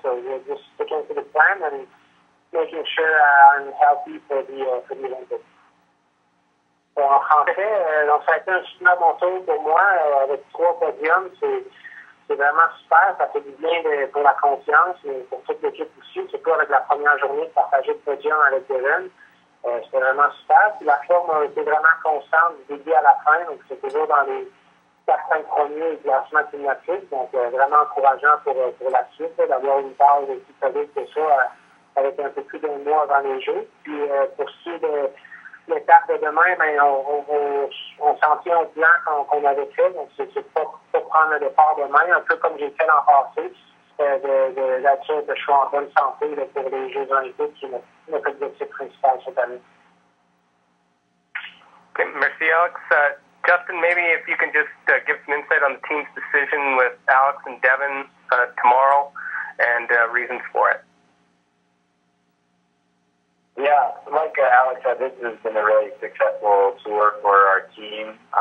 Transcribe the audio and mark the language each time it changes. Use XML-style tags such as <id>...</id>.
<en>So we're just sticking to the plan and making sure I'm healthy for the Olympics.</en> <fr>Bon, en français, donc ça a été un super bon tour pour moi avec trois podiums. C'est vraiment super. Ça fait du bien pour la confiance et pour toute l'équipe aussi. Surtout avec la première journée de partager le podium avec Devin. C'était vraiment super. Puis la forme a été vraiment constante du début à la fin. Donc c'est toujours dans les certains premiers classements climatiques, donc vraiment encourageant pour la suite, d'avoir une base aussi solide que ça, avec un peu plus d'un mois avant les Jeux. Puis pour ce qui est de l'étape de demain, on s'en tient au plan qu'on avait fait, donc c'est pas prendre le départ demain, un peu comme j'ai fait l'an passé, là-dessus, je suis en bonne santé là, pour les Jeux Olympiques, qui est notre objectif principal cette année. Okay, merci Alex.</fr> <en>Justin, maybe if you can just give some insight on the team's decision with Alex and Devin tomorrow and reasons for it. Yeah, like Alex said, this has been a really successful tour for our team.</en>